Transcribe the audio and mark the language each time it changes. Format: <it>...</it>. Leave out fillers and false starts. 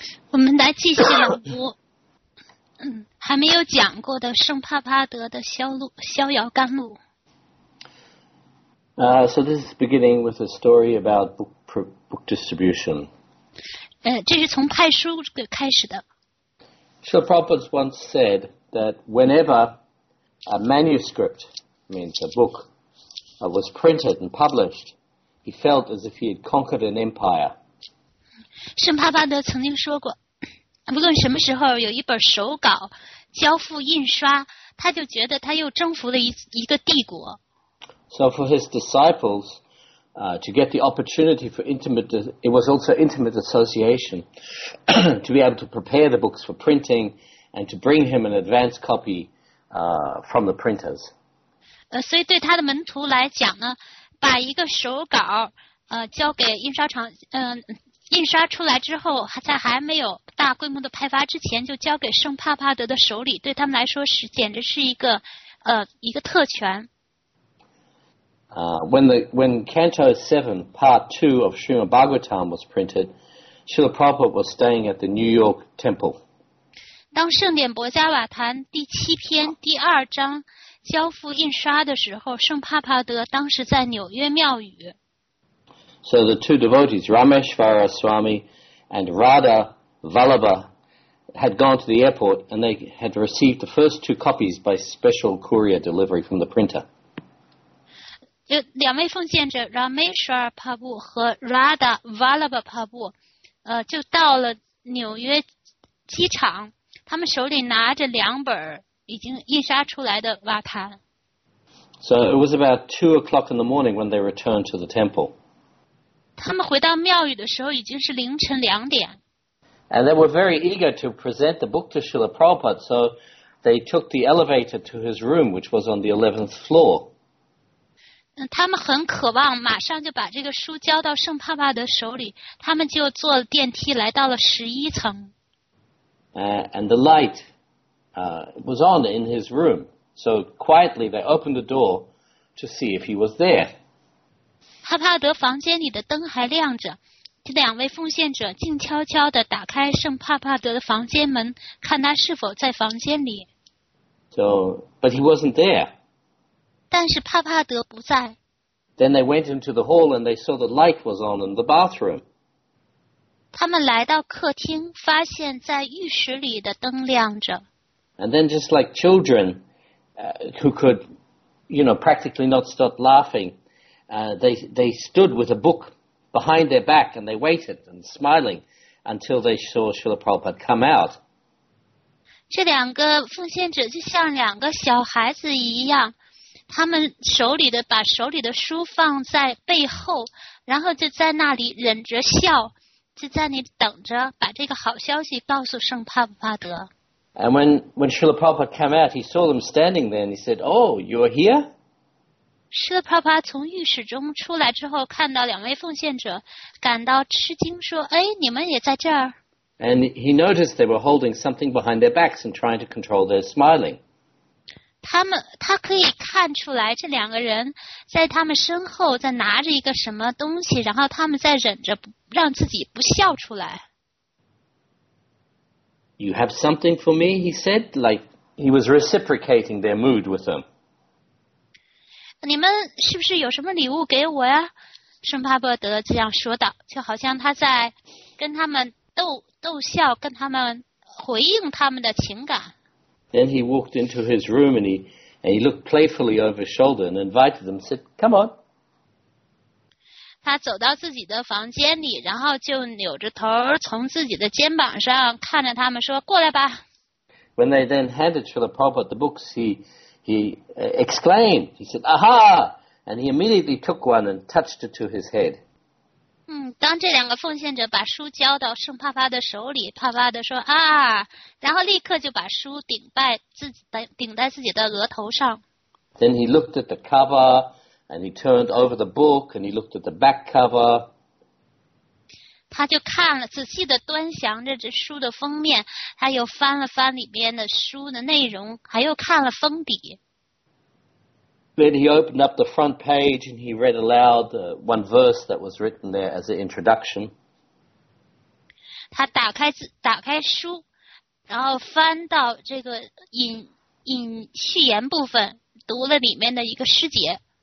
<zh>我们来继续朗读还没有讲过的圣帕帕德的逍遥甘露。</zh> <en>So this is beginning with a story about book distribution.</en> <zh>这是从派书开始的。</zh> <en>So Prabhupada once said that whenever a manuscript, means a book, was printed and published, he felt as if he had conquered an empire.</en> <zh>圣帕帕德曾经说过，不论什么时候有一本手稿交付印刷，他就觉得他又征服了一个帝国。</zh> <en>So for his disciples, to get the opportunity for it was also intimate association, to be able to prepare the books for printing and to bring him an advance copy, from the printers.</en> <zh>所以对他的门徒来讲呢，把一个手稿，交给印刷厂，印刷出来之后，在还没有大规模的派发之前，就交给圣帕帕德的手里，对他们来说是简直是一个特权。</zh> <en>When Canto 7, Part 2 of Srimad Bhagavatam was printed, Srila Prabhupada was staying at the New York Temple.</en> <zh>当圣典博加瓦坛第七篇第二章交付印刷的时候，圣帕帕德当时在纽约庙宇。</zh> <en>So the two devotees, Rameshvara Swami and Radha Vallabha, had gone to the airport and they had received the first two copies by special courier delivery from the printer.</en> <zh>两位奉献者 Rameshvara Prabhu 和 Radha Vallabha Prabhu 就到了纽约机场，他们手里拿着两本已经印刷出来的瓦坛。</zh> <en>So it was about 2 o'clock in the morning when they returned to the temple.</en> <zh>他们回到庙宇的时候已经是凌晨两点。</zh> <en>And they were very eager to present the book to Srila Prabhupada, so they took the elevator to his room, which was on the 11th floor.</en> <zh>他们很渴望马上就把这个书交到圣帕帕德手里，他们就坐电梯来到了11层。</zh> <en>And the light was on in his room. So quietly they opened the door to see if he was there.</en> <zh>帕帕德房间里的灯还亮着，这两位奉献者静悄悄地打开圣帕帕德的房间门，看他是否在房间里。</zh> <en>But he wasn't there.</en> <zh>但是帕帕德不在。</zh> <en>Then they went into the hall and they saw the light was on in the bathroom.</en> <zh>他们来到客厅，发现在浴室里的灯亮着。</zh> <en>And then just like children, who could, you know, practically not stop laughing, they stood with a book behind their back and they waited and smiling until they saw Srila Prabhupada come out.</en> <zh>这两个奉献者就像两个小孩子一样，他们把手里的书放在背后，然后就在那里忍着笑，就在那里等着把这个好消息告诉圣帕布帕德。</zh> <en>And when Srila Prabhupada came out, he saw them standing there and he said, Oh, you are here?</en> <zh>Srila Prabhupada 从浴室中出来之后，看到两位奉献者，感到吃惊，说，哎，你们也在这儿？</zh> <en>And he noticed they were holding something behind their backs and trying to control their smiling.</en> <zh>他可以看出来这两个人在他们身后在拿着一个什么东西，然后他们在忍着让自己不笑出来。</zh> <en>You have something for me? He said, like he was reciprocating their mood with them.</en> <zh>你们是不是有什么礼物给我呀？圣帕帕德这样说道，就好像他在跟他们逗笑，跟他们回应他们的情感。</zh> <en>Then he walked into his room and he looked playfully over his shoulder and invited them, said, Come on.</en> <zh>他走到自己的房间里，然后就扭着头从自己的肩膀上看着他们说，过来吧。</zh> <en>When they then handed Srila Prabhupada the books, he exclaimed, he said, Aha, And he immediately took one and touched it to his head.</en> <zh>当这两个奉献者把书交到圣帕帕的手里，帕帕的说啊，然后立刻就把书顶在自己的额头上。</zh> <en>Then he looked at the cover, and he turned over the book, and he looked at the back cover.</en> <zh>他就看了，仔细地端详着这书的封面，他又翻了翻里边的书的内容，还又看了封底。</zh> <en>Then he opened up the front page and he read aloud one verse that was written there as an introduction.</en> <zh>他打开书，然后翻到这个引序言部分，读了里面的一个诗节。</zh>